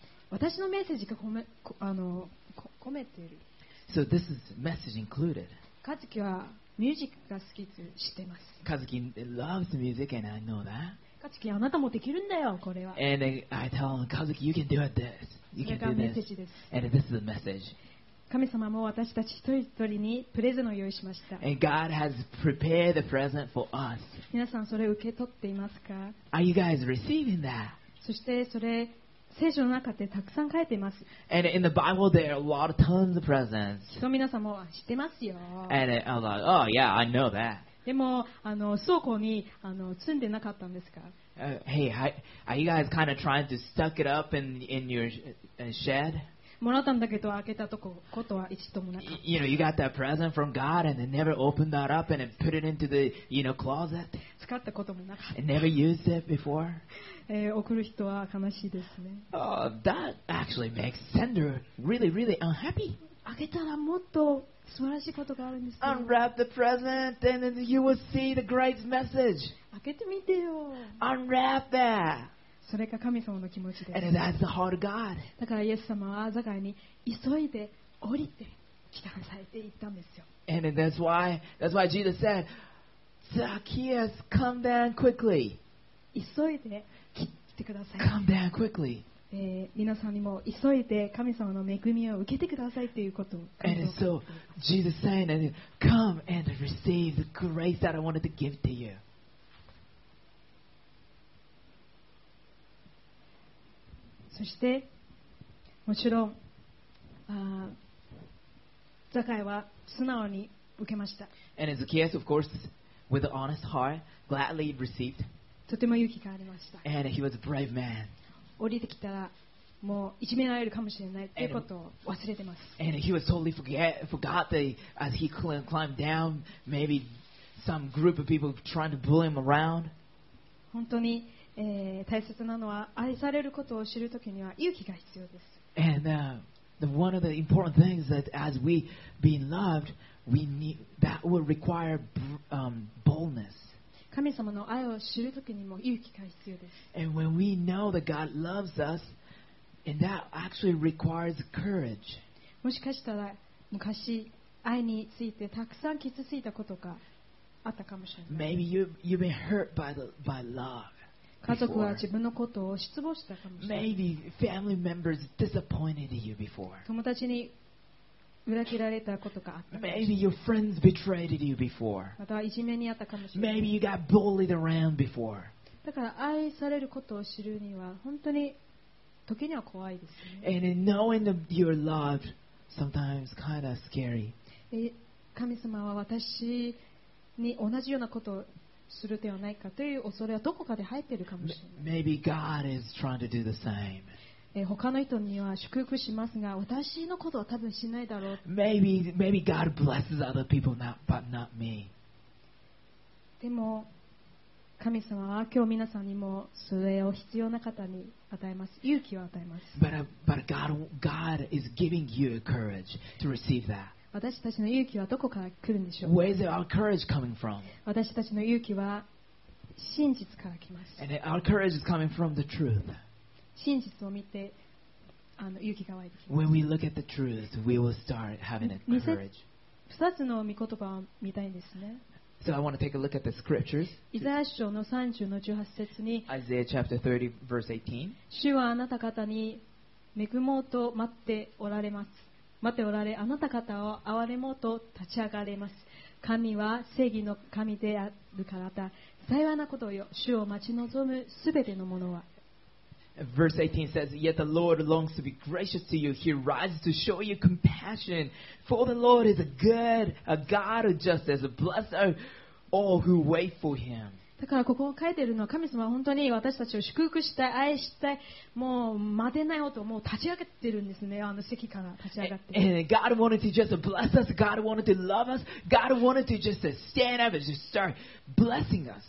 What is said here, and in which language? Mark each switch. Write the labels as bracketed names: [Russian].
[Japanese] 私のメッセージが込めてる。 [English] So this is message included. [Japanese] カズキはミュージックが好きと知ってます。 [English] カズキ loves music and I know that。 [Japanese] カズキあなたもできるんだよこれは。 [English] And I tell him, Kazuki, you can do it this. You can do this. [Japanese] メッセージです。 [English] And this is a message. [Japanese] 神様も私たち一人一人にプレゼントを用意しました。 [English] And God has prepared the present for us. [Japanese] 皆さんそれを受け取っていますか？ [English] Are you guys receiving that? [Japanese] そしてそれ聖書の中でたくさん書いています。 [English] And in the Bible there are a lot of tons of presents. [Japanese] 皆さんも知ってますよ。 [English] And I'm like, oh yeah, I know that. [Japanese] でもあの倉庫にあの積んでなかったんですか？ [English] Hey, are you guys kind of trying to stuck it up in your shed? [Japanese] もらったんだけど開けたとこ、ことは一度もなかった。 [English] You know, you got that present from God and then never opened that up and then put it into the, you know, closet. [Japanese] 使ったこともなかった。 [English] And never used it before. [Japanese] 送る人は悲しいですね。 [English] Oh, that actually makes sender really, really unhappy. [Japanese] 開けたらもっと素晴らしいことがあるんですよ。 [English] Unwrap the present and then you will see the great message. [Japanese] 開けてみてよ。 [English] Unwrap that. [Japanese] それが神様の気持ちです。 [English] And that's the heart of God. [Japanese] だからイエス様はアザガイに急いで降りて帰還されていったんですよ。 [English] And that's why Jesus said, Zacchaeus, come down quickly. [Japanese] 急いで来てください。 [English] Come down quickly. [Japanese] 皆さんにも急いで神様の恵みを受けてくださいということを。 [English] And so Jesus saying, "Come and receive the grace that I wanted to give to you." [Japanese] そしてもちろんザカイは素直に受けました。 [English] And Zacchaeus, of course, with an honest heart, gladly received. [Japanese] とても勇気がありました。 [English] And he was a brave man. [Japanese] 降りてきたらもういじめられるかもしれないということを忘れてます。 [English] And he was totally forgot that as he climbed down, maybe some group of people trying to bully him around. [Japanese] 本当に、大切なのは愛されることを知るときには勇気が必要です。 [English] And one of the important things that as we being loved, we need that will require boldness. [Japanese] 神様の愛を知るときにも勇気が必要です。 [English] And when we know that God loves us, and that actually requires courage. [Japanese] もしかしたら昔愛についてたくさん傷ついたことがあったかもしれない。 [English] Maybe you've been hurt by love. [Japanese] 家族は自分のことを失望したかもしれない。 [English] Maybe family members disappointed you before. [Japanese] 友達に裏切られたことがあった。 [English] Maybe your friends betrayed you before. [Japanese] またはいじめにあったかもしれない。 [English] Maybe you got bullied around before. [Japanese] だから愛されることを知るには本当に時には怖いですね。 [English] And knowing your love sometimes kind of scary. [Japanese] 神様は私に同じようなことをするではないかという恐れはどこかで入っているかもしれない。 [English] Maybe God is trying to do the same. [Japanese] 他の人には祝福しますが私のことは多分しないだろう。 [English] Maybe God blesses other people not, but not me. [Japanese] でも神様は今日皆さんにもそれを必要な方に与えます。勇気を与えます。 [English] But God is giving you courage to receive that. [Japanese] 私たちの勇気はどこから来るんでしょう。 [English] Where is our courage coming from? [Japanese] 私たちの勇気は真実から来ます。 [English] And our courage is coming from the truth. [Japanese] 真実を見て、あの勇気が湧いてきます。 [English] When we look at the truth, we will start having a courage. [Japanese] 2つの御言葉を見たいんですね。 [English] So I want to take a look at the scriptures. [Japanese] イザヤ書の30の18節に、 [English] Isaiah chapter 30 verse 18. [Japanese] 主はあなた方に恵もうと待っておられます。待っておられ、あなた方を憐れもうと立ち上がれます。神は正義の神であるからだ。幸いなことよ、主を待ち望むすべてのものは。 [English] Verse 18 says, Yet the Lord longs to be gracious to you. He rises to show you compassion. For the Lord is a God of justice. Blessed are all who wait for him. [Japanese] だからここを書いているのは神様は本当に私たちを祝福したい、愛したい、もう待てないほどもう立ち上がっているんですね。あの席から立ち上がって。 [English] And God wanted to just bless us. God wanted to love us. God wanted to just stand up and just start blessing us.